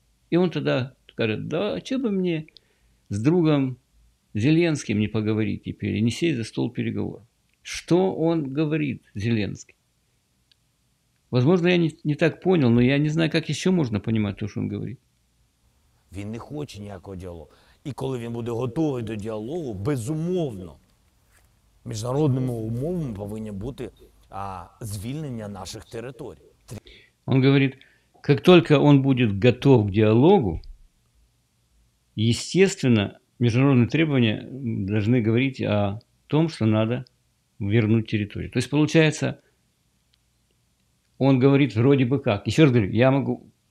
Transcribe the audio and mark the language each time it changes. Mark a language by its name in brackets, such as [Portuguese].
[Russian] И он тогда скажет, да, а что бы мне с другом Зеленским не поговорить теперь, не сесть за стол переговоров. Что он говорит, Зеленский? Возможно, я не так понял, но я не знаю, как еще можно понимать то, что он говорит. [Ukrainian] Він не хоче ніякого діалогу. І коли він буде готовий до діалогу, безумовно, міжнародними умовами повинні бути звільнення наших територій. [Russian] Он говорит, как только он будет готов к диалогу, естественно, международные требования должны говорить о том, что надо вернуть территорию. То есть, получается, он говорит вроде бы как. Еще раз говорю, я могу